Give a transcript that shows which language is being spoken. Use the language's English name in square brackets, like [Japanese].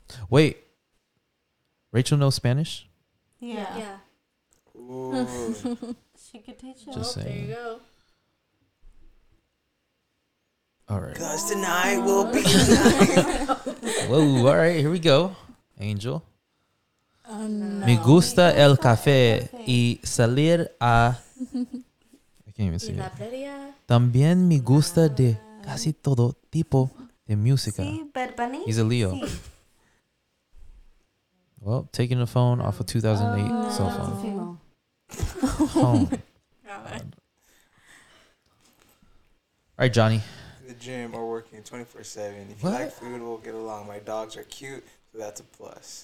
[English] Wait, Rachel knows Spanish? Yeah. Ooh. She could teach you. Just saying. There you go. All right. Cause tonight will be tonight. Whoa, all right, here we go. Angel. [Spanish] Me gusta el café y salir a... [English] I can't even see it. [Spanish] También me gusta de casi todo tipo de música. [English] He's a Leo. Well, taking the phone off a 2008 cell phone. Home. All right, Johnny. The gym or working 24/7. If you like food, we'll get along. My dogs are cute, so that's a plus.